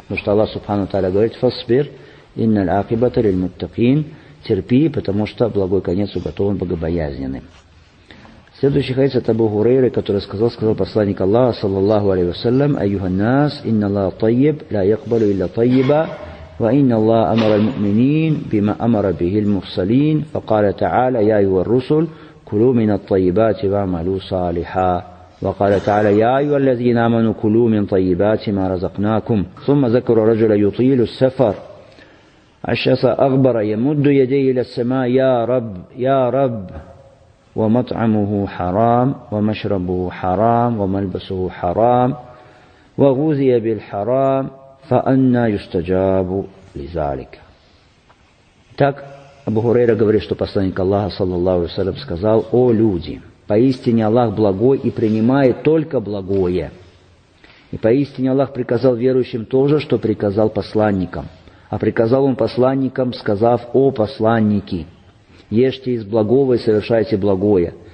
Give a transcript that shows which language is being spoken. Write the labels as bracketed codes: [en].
[ru] Потому что Аллах Субхану Тааля говорит: [ar] «Фасбир, инналь акибата лиль муттакин», [ru] терпи, потому что благой конец уготован богобоязненным. Следующий хадис от Абу Хурейры, который сказал посланник Аллаха, саллаллаху алейхи вассалям: [ar] «Айюханнас, инна Аллах тайеб, ля якбалу илля тайеба». وإن الله أمر المؤمنين بما أمر به المرسلين فقال تعالى يا أيها الرسل كلوا من الطيبات واعملوا صالحا وقال تعالى يا أيها الذين آمنوا كلوا من طيبات ما رزقناكم ثم ذكر رجل يطيل السفر عشس أغبر يمد يديه إلى السماء يا رب يا رب ومطعمه حرام ومشربه حرام وملبسه حرام وغذي بالحرام فَأَنَّا يُسْتَجَابُ لِذَلِكَ. [ru] Так Абу Хурейра говорит, что посланник Аллаха, саллаллаху алейхи ва саллям, сказал: «О люди, поистине Аллах благой и принимает только благое. И поистине Аллах приказал верующим то же, что приказал посланникам. А приказал Он посланникам, сказав: «О посланники, ешьте из благого и совершайте благое».